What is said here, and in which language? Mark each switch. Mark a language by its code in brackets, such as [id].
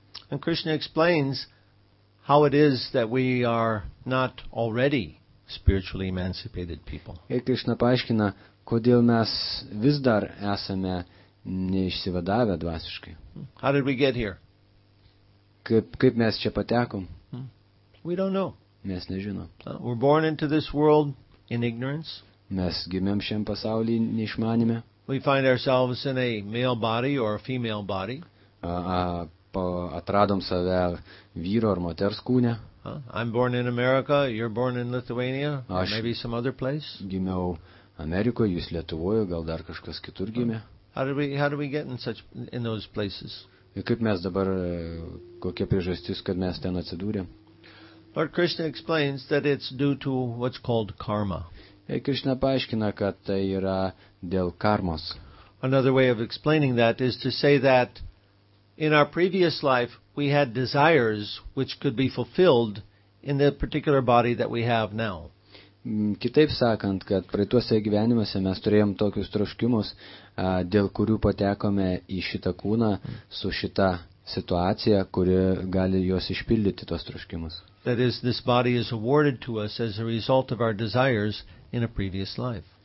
[en] And Krishna explains how it is that we are not already spiritually emancipated people. [lt] Ir Krishna paaiškina, kodėl mes vis dar esame neišsivadavę dvasiškai. [en] How did we get here? [lt] Kaip mes čia patekom? [en] We don't know. [lt] Mes nežinom. [en] We're born into this world in ignorance. [lt] Mes gimėm šiam pasaulyje neišmanime. [en] We find ourselves in a male body or a female body. [lt] Atradom save vyro ar moters kūne. [en] I'm born in America, you're born in Lithuania, or maybe some other place. [lt] Gimiau Amerikoje, jūs Lietuvoje, gal dar kažkas kitur gimė. [en] How do we get in those places? [lt] Ir kaip mes dabar, kokia priežastis, kad mes ten atsidūrėm? [en] Lord Krishna explains that it's due to what's called karma. [lt] Ir Krishna paaiškina, kad tai yra dėl karmos. [en] Another way of explaining that is to say that in our previous life we had desires which could be fulfilled in the particular body that we have now. [lt] Kitaip sakant, kad praeituose gyvenimuose mes turėjom tokius troškimus, dėl kurių patekome į šitą kūną su šita situacija, kuri gali juos išpildyti, tos troškimus. [en] That is, this body is awarded to us as a result of our desires in a previous life.